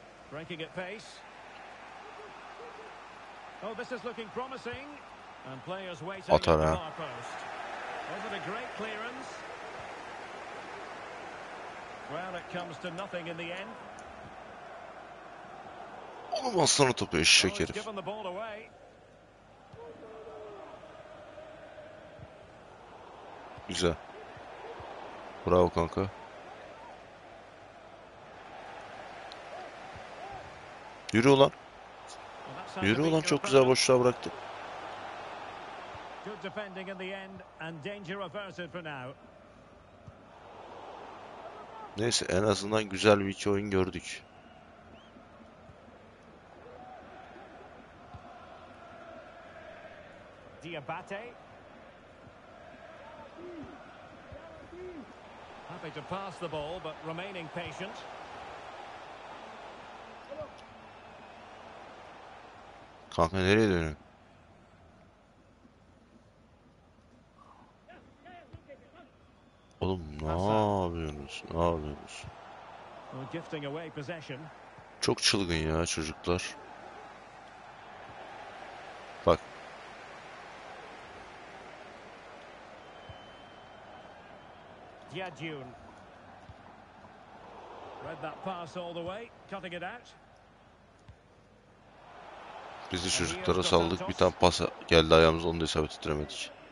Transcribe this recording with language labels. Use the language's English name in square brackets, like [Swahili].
[English] Breaking at pace. Oh, this is looking promising. And players waiting at the far post. Was it a great clearance? Well, it comes to nothing in the end. [Turkish] Oğlum aslanı topu eşek herif. Güzel. Bravo kanka. Yürü ulan. Yürü ulan, çok güzel boşluğa bıraktı. [English] Good defending in the end and danger averted for now. [Turkish] Neyse, en azından güzel bir iki oyun gördük. [English] Diabate. Happy to pass the ball but remaining patient. [Turkish] Kanka nereye dönüyor? Oğlum ne yapıyorsunuz? Ne yapıyorsunuz? Çok çılgın ya çocuklar. Bak. [English] Diadjun. Read that pass all the way, cutting it out. [Turkish] Bizi çocuklara saldık, bir tane pas geldi ayağımız, onu da isabet ettiremedik.